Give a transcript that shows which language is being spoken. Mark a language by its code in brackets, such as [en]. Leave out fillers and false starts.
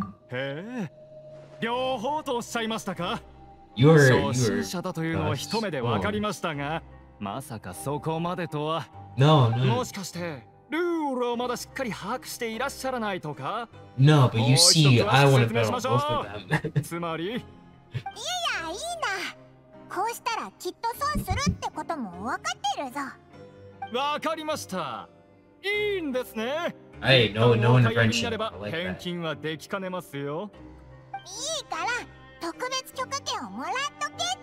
[ja] へえ、両方とおっしゃいましたか。 [en] You're [ja] 初心者だというのは一目でわかりましたが、まさかそこまでとは。 [en] No, no. [ja] もしかして。ルールをまだしっかり把握していらっしゃらないとか。 [en] No, but you see, I want to battle both of them. [ja] つまり。いやいや、いいな。こうしたらきっと損するってことも分かってるぞ。わかりました。いいんですね。 [en] Hey, no in friendship. I like that. [ja] 返金はできかねますよ。いいから特別許可権をもらっとけって。